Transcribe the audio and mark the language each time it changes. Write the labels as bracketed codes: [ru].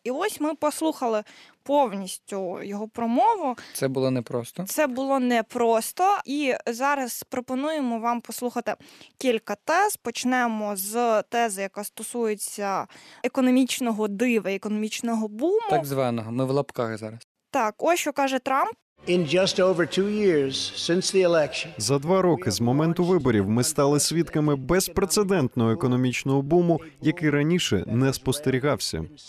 [uk] І ось ми послухали повністю його промову. Це було непросто. І зараз пропонуємо вам послухати кілька тез. Почнемо з тези, яка стосується економічного дива, економічного буму. Так званого. Ми в лапках зараз. Так, ось що каже Трамп. [en] In just over 2 years since the election. [uk] За 2 роки з моменту виборів ми стали свідками безпрецедентного економічного буму, який раніше не спостерігався.